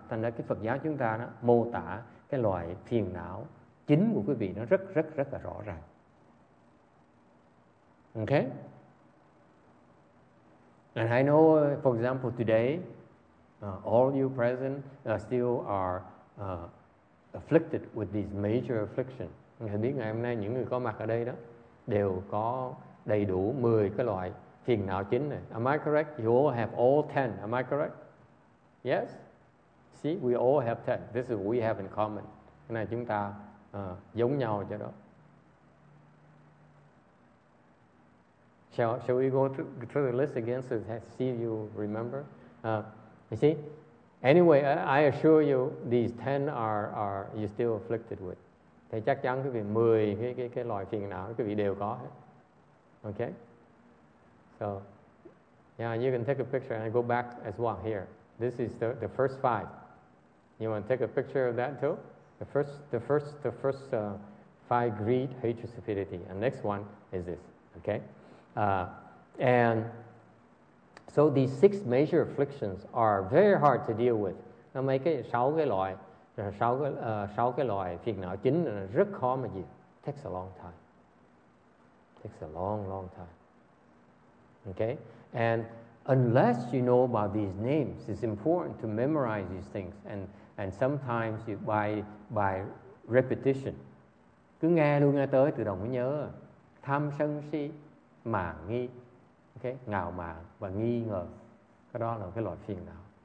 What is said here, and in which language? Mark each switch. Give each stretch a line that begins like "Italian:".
Vietnamese: Thành ra cái Phật giáo chúng ta đó, mô tả cái loại phiền não chính của quý vị nó rất rất rất là rõ ràng.
English: Okay? And I know, for example, today, all you present still are afflicted with these major afflictions.
Vietnamese: Thầy biết ngày hôm nay những người có mặt ở đây đó đều có đầy đủ 10 cái loại phiền não chính này.
English: Am I correct? You all have all 10. Am I correct? Yes? See, we all have 10. This is what we have in common.
Vietnamese: Cái này chúng ta giống nhau cho đó.
English: Shall we go through the list again so that see you remember? You see? Anyway, I assure you, these 10 are you still afflicted with.
Vietnamese: Thì chắc chắn quý vị 10 cái loại phiền não quý vị đều có.
English: Okay? So, yeah, you can take a picture and I go back as well here. This is the first 5. You want to take a picture of that too? The first 5, greed, hatred, stupidity. And next one is this. Okay? And so these 6 major afflictions are very hard to deal with.
Vietnamese: Nó mấy cái 6 cái loại, 6 cái loại phiền não chính là rất khó mà gì.
English: Takes a long time. Takes a long, long time. Okay? And unless you know about these names, it's important to memorize these things. And sometimes you, by repetition.
Vietnamese: Cứ nghe luôn nghe tới, tự động mới nhớ. Tham sân si, mạng nghi. Okay, ngạo mạn và nghi ngờ, cái đó là cái loại phiền não.